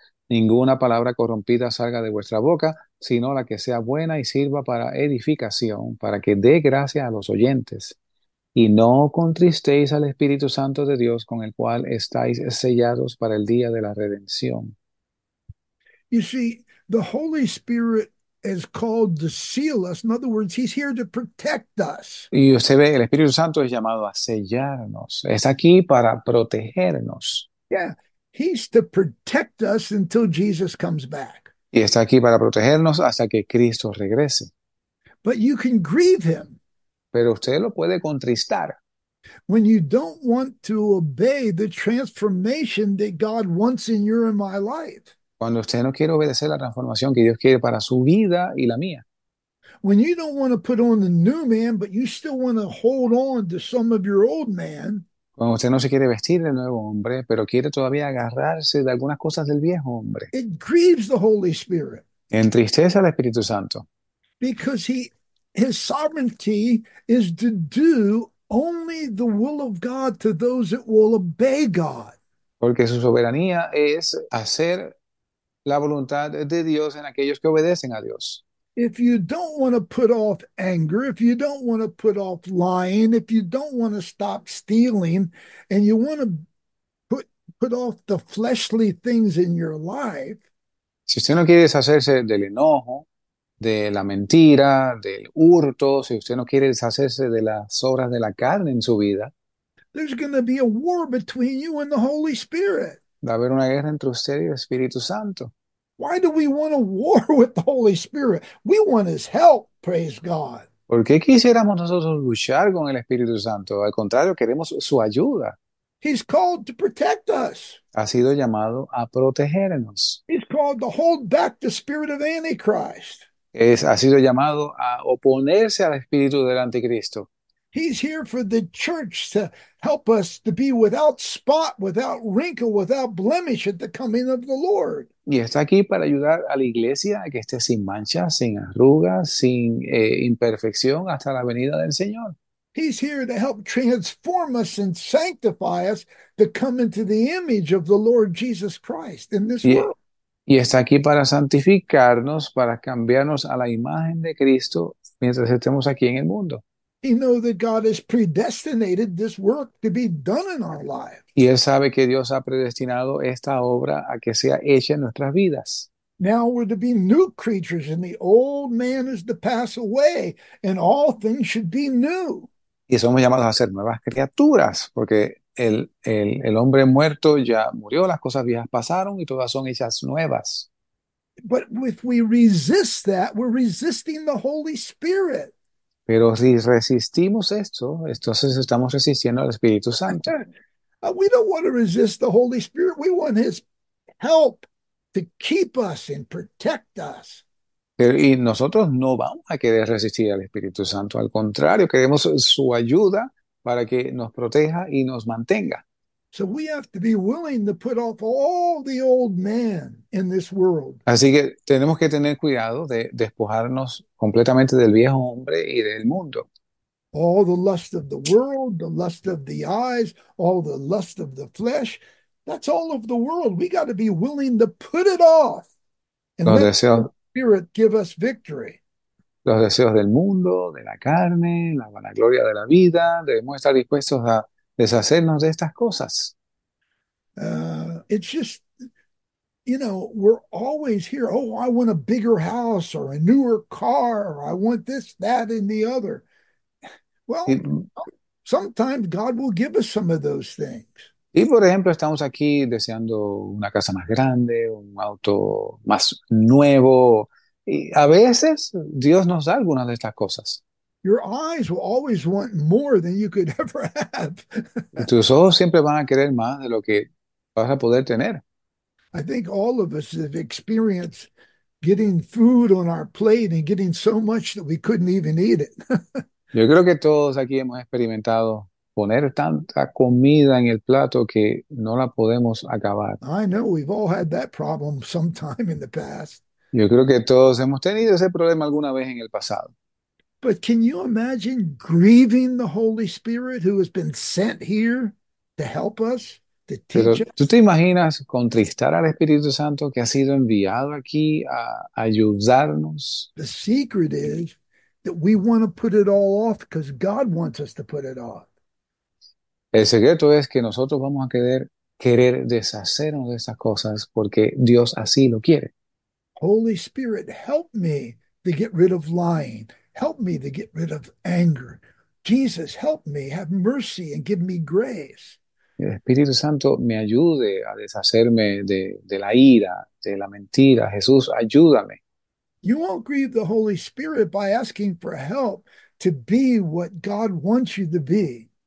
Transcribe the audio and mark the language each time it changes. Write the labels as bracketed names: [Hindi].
[Spanish] Ninguna palabra corrompida salga de vuestra boca, sino la que sea buena y sirva para edificación, para que dé gracia a los oyentes. Y no contristéis al Espíritu Santo de Dios con el cual estáis sellados para el día de la redención. [English] You see, the Holy Spirit is called to seal us. In other words, he's here to protect us. [Spanish] Y usted ve, el Espíritu Santo es llamado a sellarnos. Es aquí para protegernos. [English] Yeah, he's to protect us until Jesus comes back. [Spanish] Y está aquí para protegernos hasta que Cristo regrese. [English] But you can grieve him. [Spanish] Pero usted lo puede contristar. [English] When you don't want to obey the transformation that God wants in your and my life. [Spanish] Cuando usted no quiere obedecer la transformación que Dios quiere para su vida y la mía. [English] When you don't want to put on the new man, but you still want to hold on to some of your old man, [Spanish] Cuando usted no se quiere vestir de nuevo hombre, pero quiere todavía agarrarse de algunas cosas del viejo hombre, [English] it grieves the Holy Spirit [Spanish] entristece al Espíritu Santo. [English] because his sovereignty is to do only the will of God to those that will obey God. [Spanish] Porque su soberanía es hacer la voluntad de Dios en aquellos que obedecen a Dios. [English] If you don't want to put off anger, if you don't want to put off lying, if you don't want to stop stealing, and you want to put off the fleshly things in your life, [Spanish] Si usted no quiere deshacerse del enojo, de la mentira, del hurto, si usted no quiere deshacerse de las obras de la carne en su vida, [English] there's going to be a war between you and the Holy Spirit. [Spanish] va a haber una guerra entre usted y el Espíritu Santo. [English] Why do we want a war with the Holy Spirit? We want his help, praise God. [Spanish] ¿Por qué quisiéramos nosotros luchar con el Espíritu Santo? Al contrario, queremos su ayuda. [English] He's called to protect us. [Spanish] Ha sido llamado a protegernos. [English] He's called to hold back the spirit of Antichrist. [Spanish] Ha sido llamado a oponerse al espíritu del anticristo. [English] He's here for the church to help us to be without spot, without wrinkle, without blemish at the coming of the Lord. [Spanish] Y está aquí para ayudar a la iglesia a que esté sin mancha, sin arrugas, sin imperfección hasta la venida del Señor. [English] He's here to help transform us and sanctify us to come into the image of the Lord Jesus Christ in this world. [Spanish] Y está aquí para santificarnos, para cambiarnos a la imagen de Cristo mientras estemos aquí en el mundo. [English] He knows that God has predestinated this work to be done in our lives. [Spanish] Y él sabe que Dios ha predestinado esta obra a que sea hecha en nuestras vidas. [English] Now we're to be new creatures, and the old man is to pass away, and all things should be new. [Spanish] Y somos llamados a ser nuevas criaturas, porque el hombre muerto ya murió, las cosas viejas pasaron y todas son hechas nuevas. [English] But if we resist that, we're resisting the Holy Spirit. [Spanish] Pero si resistimos esto, entonces estamos resistiendo al Espíritu Santo. [English] We don't want to resist the Holy Spirit. We want his help to keep us and protect us. [Spanish] Pero, y nosotros no vamos a querer resistir al Espíritu Santo, al contrario, queremos su ayuda para que nos proteja y nos mantenga. [English] So we have to be willing to put off all the old man in this world. [Spanish] Así que tenemos que tener cuidado de despojarnos completamente del viejo hombre y del mundo. [English] All the lust of the world, the lust of the eyes, all the lust of the flesh, that's all of the world. We got to be willing to put it off and let the Spirit give us victory. [Spanish] Los deseos del mundo, de la carne, la vanagloria de la vida, debemos estar dispuestos a deshacernos de estas cosas. [English] It's just, we're always here. Oh, I want a bigger house or a newer car, or I want this, that, and the other. Well, sometimes God will give us some of those things. [Spanish] Y por ejemplo, estamos aquí deseando una casa más grande, un auto más nuevo. Y a veces Dios nos da algunas de estas cosas. [English] Your eyes will always want more than you could ever [Spanish] Y [English] have. [Spanish] tus ojos siempre van a querer más de lo que vas a poder tener. [English] I think all of us have experienced getting food on our plate and getting so much that we couldn't even eat it. [Spanish] Yo creo que todos aquí hemos experimentado poner tanta comida en el plato que no la podemos acabar. [English] I know we've all had that problem sometime in the past. [Spanish] Yo creo que todos hemos tenido ese problema alguna vez en el pasado. [English] But can you imagine grieving the Holy Spirit who has been sent here to help us, to teach [Spanish] Pero, [English] us? [Spanish] ¿tú te imaginas contristar al Espíritu Santo que ha sido enviado aquí a ayudarnos? [English] The secret is that we want to put it all off because God wants us to put it off. [Spanish] El secreto es que nosotros vamos a querer deshacernos de esas cosas porque Dios así lo quiere. [English] Holy Spirit, help me to get rid of lying. Help me to get rid of anger. Jesus, help me, have mercy and give me grace. [Spanish] El Espíritu Santo me ayude a deshacerme de la ira, de la mentira. Jesús, ayúdame. [English] You won't grieve the Holy Spirit by asking for help to be what God wants you to be.